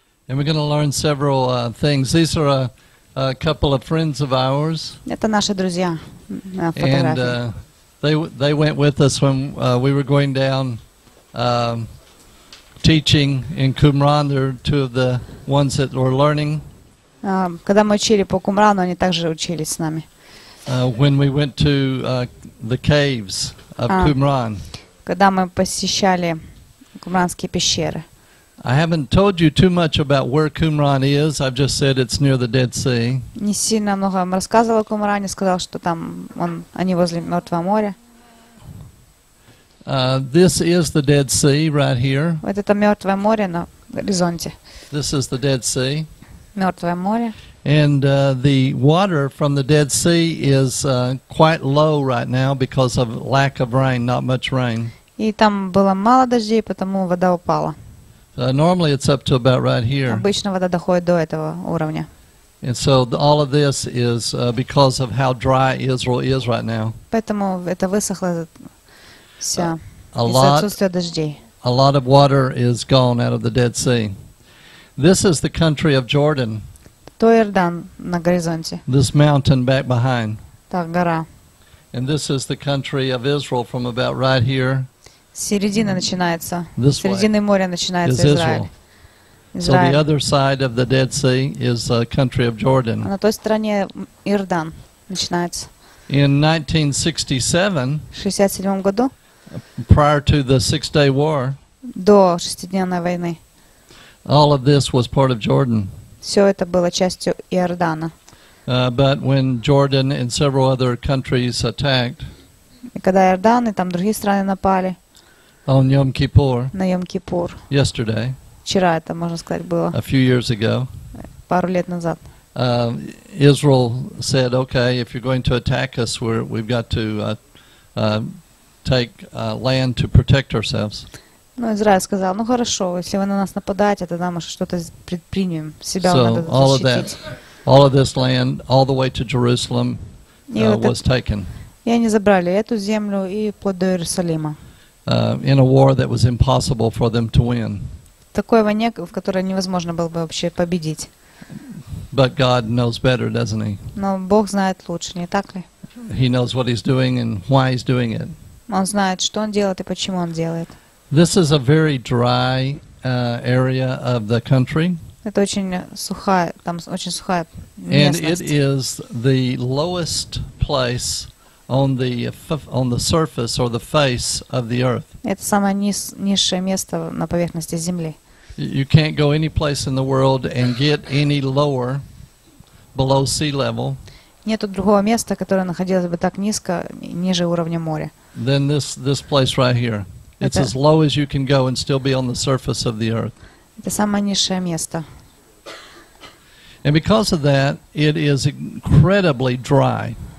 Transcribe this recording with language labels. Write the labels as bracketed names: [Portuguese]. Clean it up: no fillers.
[English] And we're going to learn several things. These are a couple of friends of ours. [Russian] Это наши друзья. [English] And they went with us when we were going down teaching in Qumran. They're two of the ones that were learning. [Russian] Когда мы учили по Кумрану, они также учились с нами. [English] When we went to the caves of Qumran. [Russian] Когда мы посещали кумранские пещеры. [English] I haven't told you too much about where Qumran is. I've just said it's near the Dead Sea. [Russian] Не сильно много вам рассказывал о Кумране, сказал, что там он, они возле Мертвого моря. [English] This is the Dead Sea right here. [Russian] Вот это Мертвое море на горизонте. [English] This is the Dead Sea. [Russian] Мертвое море. [English] And the water from the Dead Sea is quite low right now because of lack of rain, not much rain. [Russian] И там было мало дождей, потому вода упала. [English] Normally it's up to about right here. [Russian] Обычно вода доходит до этого уровня. [English] And so all of this is because of how dry Israel is right now. [Russian] Поэтому это высохло вся из-за отсутствия дождей. [English] A lot of water is gone out of the Dead Sea. This is the country of Jordan. [Russian] То Иордан на горизонте. [English] This mountain back behind. [Russian] Та гора. [English] And this is the country of Israel from about right here. [Russian] Середина начинается. С середины моря начинается Израиль. [English] So the other side of the Dead Sea is the country of Jordan. [Russian] На той стороне Иордан начинается. [English] In 1967. [Russian] В 67 году. [English] Prior to the Six-Day War. [Russian] До шестидневной войны. [English] All of this was part of Jordan. [Russian] Все это было частью Иордана. [English] But when Jordan and several other countries attacked. [Russian] И когда Иордан и там другие страны напали. [English] On Yom Kippur. [Russian] На Йом Кипур. [English] Yesterday. [Russian] Вчера это, можно сказать, было. [English] A few years ago. [Russian] Пару лет назад. [English] Israel said, "Okay, if you're going to attack us, we've got to take land to protect ourselves." [Russian] Ну, Израиль сказал, ну хорошо, если вы на нас нападаете, тогда мы что-то предпримем, себя so надо защитить. [English] All of that, all of this land, all the way to Jerusalem, was taken. [Russian] И они забрали эту землю и вплоть до Иерусалима. [English] In a war that was impossible for them to win. [Russian] Такой войне, в которой невозможно было бы вообще победить. [English] But God knows better, doesn't He? [Russian] Но Бог знает лучше, не так ли? [English] He knows what He's doing and why He's doing it. [Russian] Он знает, что он делает и почему он делает. [English] This is a very dry area of the country. [Russian] Это очень сухая, там очень сухая местность. [English] And it is the lowest place. On the surface or the face of the earth. [Russian] Это самое низшее место на поверхности земли. [English] You can't go any place in the world and get any lower below sea level. [Russian] Нету другого места, которое находилось бы так низко, ниже уровня моря. [English] Than this place right here. It's as low as you can go and still be on the surface of the earth. [Russian] Это самое низшее место. [English] And because of that, it is incredibly dry.